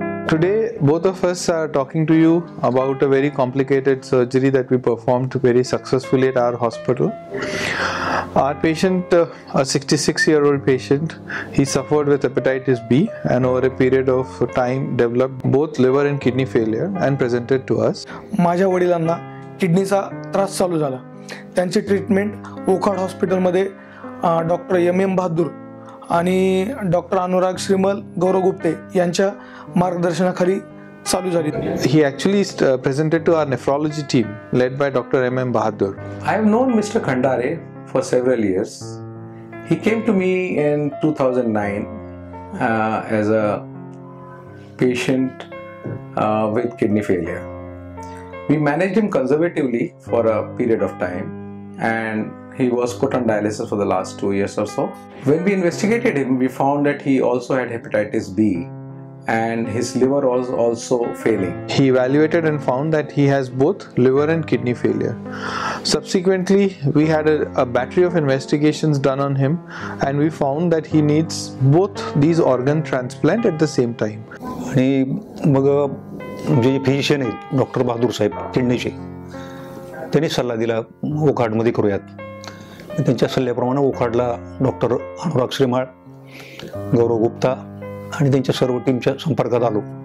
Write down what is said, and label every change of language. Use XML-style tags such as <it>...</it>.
<en>Today, both of us are talking to you about a very complicated surgery that we performed very successfully at our hospital. Our patient, a 66-year-old patient, he suffered with hepatitis B and over a period of time developed both liver and kidney failure and presented to us.</en> <mr>माझ्या वडिलांना किडनीचा त्रास चालू झाला. त्यांचे treatment Wockhardt हॉस्पिटलमध्ये doctor M M Bahadur आणि doctor Anurag Shrimal गौरव गुप्ते यांच्या मार्गदर्शनाखाली चालू झाली.</mr> <en>He actually presented to our nephrology team led by doctor M M Bahadur. I have known mister Khandare for several years. He came to me in 2009 as a patient with kidney failure. We manage him conservatively for a period of time and he was put on dialysis for the last 2 years or so. When we investigated him, we found that he also had hepatitis B and his liver was also failing. He evaluated and found that he has both liver and kidney failure. Subsequently, we had a battery of investigations done on him and we found that he needs both these organ transplant at the same time.</en> <mr>आणि मग जे physician आहेत doctor Bahadur साहेब किडनीचे, त्यांनी सल्ला दिला वोकहार्टमध्ये करूयात. त्यांच्या सल्ल्याप्रमाणे वोकहार्टला doctor Anurag श्रीमाळ, गौरव गुप्ता आणि त्यांच्या सर्व टीमच्या संपर्कात आलो.</mr>